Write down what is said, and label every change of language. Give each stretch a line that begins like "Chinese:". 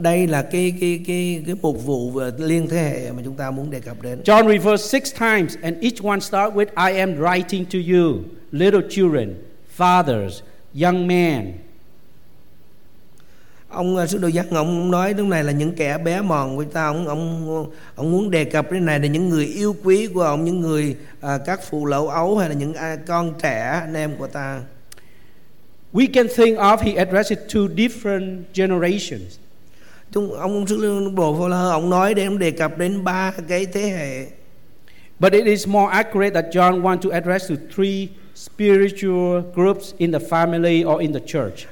Vietnamese: Đây là cái mục vụ liên thế hệ mà chúng ta muốn đề cập đến.
English: John refers 6 times and each one starts with I am writing to you, little children, fathers, young men.
Vietnamese: Ông sứ đồ Giăng ông nói lúc này là những kẻ bé mòn của ta, ông muốn đề cập đến này là những người yêu quý của ông, những người các phụ lão ấu hay là những con trẻ anh em của ta.
English: We can think of he addresses two different generations.
Vietnamese: Ông sứ đồ Phao Lơ ông nói đến, ông đề cập đến ba cái thế hệ.
English: But it is more accurate that John wants to address to three spiritual groups in the family or in the church.